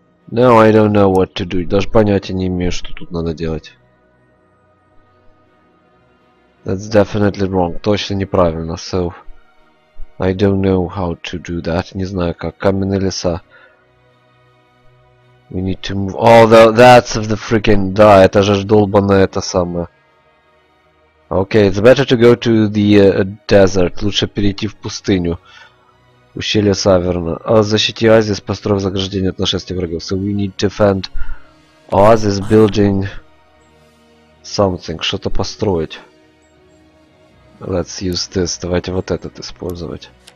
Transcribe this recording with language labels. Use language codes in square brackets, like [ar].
[en] No, I don't know what to do. [ru] Даже понятия не имею, что тут надо делать. [en] That's definitely wrong. [ru] Точно неправильно. [en] So, I don't know how to do that. [ru] Не знаю как. Каменные леса. [en] We need to move... Oh, that's of the freaking... [ru] Да, это же долбанное это самое. [en] Okay, it's better to go to the desert. [ru] Лучше перейти в пустыню. Ущелье Саверна. Защити оазис, построив заграждение от нашествия врагов. [en] So we need to defend oasis building something. [ru] Что-то построить. [en] Let's use this. [ru] Давайте вот этот использовать.